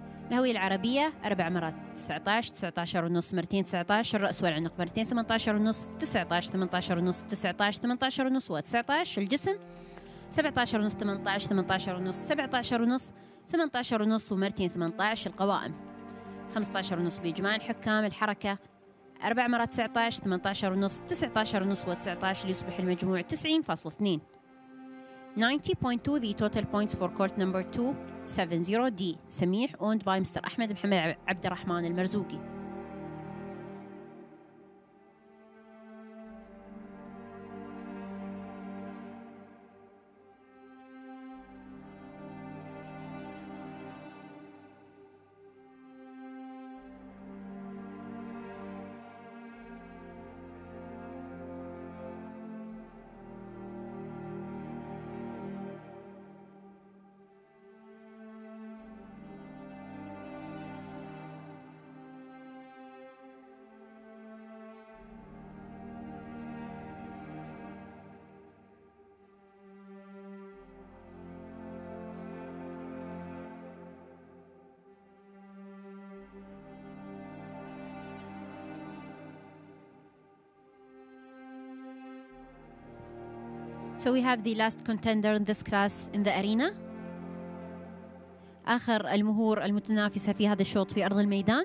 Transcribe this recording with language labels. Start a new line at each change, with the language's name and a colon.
Arabic: الهوية العربية 4 مرات 19 19.5 2 19 الرأس والعنق 218.5 19 18.5 19 18.5 و19 الجسم 17.5 18 18.5 17.5 18.5 و218 القوائم 15.5 بإجماع الحكام الحركة 4 مرات 19 18.5 19.5 و19 ليصبح المجموع 90.2.
English: 90.2 the total points for court number 270D سميح owned by Mr.
Arabic: أحمد محمد عبد الرحمن المرزوقي.
English: So we have the last contender in this class in the arena.
Arabic: آخر المهور المتنافسة في هذا الشوط في أرض الميدان.